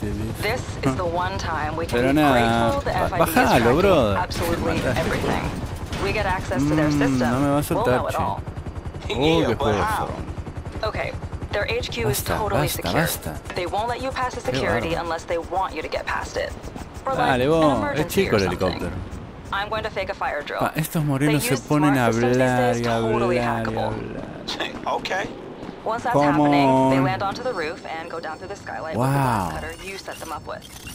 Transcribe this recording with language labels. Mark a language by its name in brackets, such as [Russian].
[English] So, this is the one time we can be grateful the FIB is tracking absolutely everything. We get access to their system. [Spanish] No me va a soltar, [English] we'll know it all. Yeah, okay, their HQ is totally secure. [Spanish] Basta. [English] They won't let you pass the security unless they want you to get past it. Or like an emergency or something. I'm going to fake a fire drill. [Spanish] Estos morenos se ponen a hablar y hablar. [English] Okay. Once that's happening, they land onto the roof and go down through the skylight with the box cutter you set them up with.